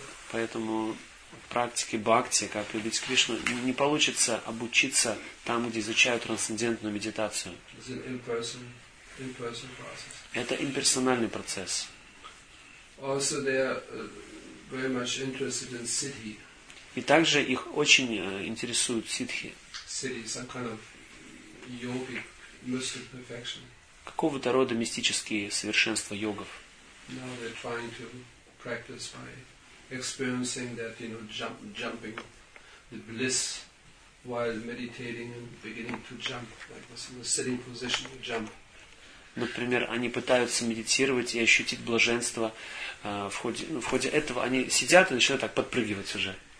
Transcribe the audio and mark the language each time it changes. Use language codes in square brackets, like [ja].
[ru] Поэтому в практике бхакти, как любить Кришну, не получится обучиться там, где изучают трансцендентную медитацию. [en] It's an impersonal process. [ru] Это имперсональный процесс. [en] Also they are, very much interested in siddhi. [ru] И также их очень интересуют сиддхи. [en] Siddhi, some kind of yogic, mystic perfection. [ru] Какого-то рода мистические совершенства йогов. [en] Now they're trying to practice by experiencing that, you know, jumping, the bliss while meditating and beginning to jump, like this in a sitting position to jump. [ru] Например, они пытаются медитировать и ощутить блаженство. В ходе этого они сидят и начинают так подпрыгивать уже.